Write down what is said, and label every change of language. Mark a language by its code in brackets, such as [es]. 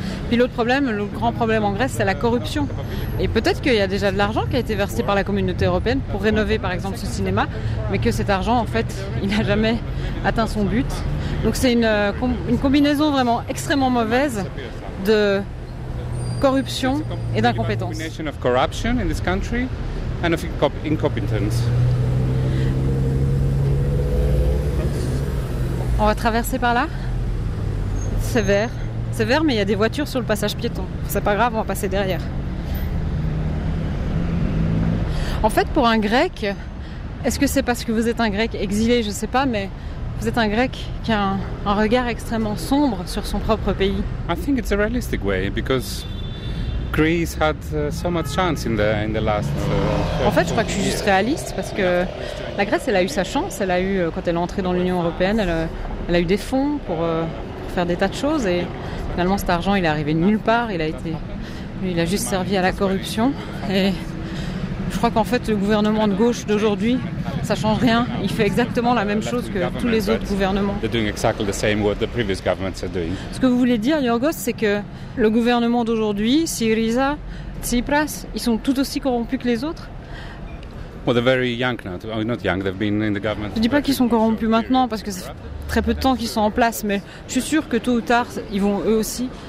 [fr] Puis l'autre problème, le grand problème en Grèce, c'est la corruption. Et peut-être qu'il y a déjà de l'argent qui a été versé par la communauté européenne pour rénover par exemple ce cinéma, mais que cet argent, en fait, il n'a jamais atteint son but. Donc c'est une combinaison vraiment extrêmement mauvaise de corruption et d'incompétence. [en] It's a combination of corruption in this country and of incompetence. [fr] On va traverser par là. C'est vert. C'est vert, mais il y a des voitures sur le passage piéton. C'est pas grave, on va passer derrière. En fait, pour un Grec, est-ce que c'est parce que vous êtes un Grec exilé, je sais pas, mais vous êtes un Grec qui a un regard extrêmement sombre sur son propre pays. [en] I think it's a realistic way because Greece had so much chance in the last. [fr] En fait, je crois que je suis juste réaliste parce que la Grèce, elle a eu sa chance. Elle a eu, quand elle est entrée dans l'Union européenne, elle a eu des fonds pour faire des tas de choses et finalement, cet argent, il est arrivé de nulle part. Il a juste servi à la corruption et. Je crois qu'en fait, le gouvernement de gauche d'aujourd'hui, ça change rien. Il fait exactement la même chose que tous les autres gouvernements. [en] They're doing exactly the same what the previous governments are doing. [fr] Ce que vous voulez dire, Yorgos, c'est que le gouvernement d'aujourd'hui, Syriza, Tsipras, ils sont tout aussi corrompus que les autres. [en] Well, they're very young now. Not young. They've been in the government. [fr] Je dis pas qu'ils sont corrompus maintenant parce que c'est très peu de temps qu'ils sont en place, mais je suis sûr que tôt ou tard, ils vont eux aussi.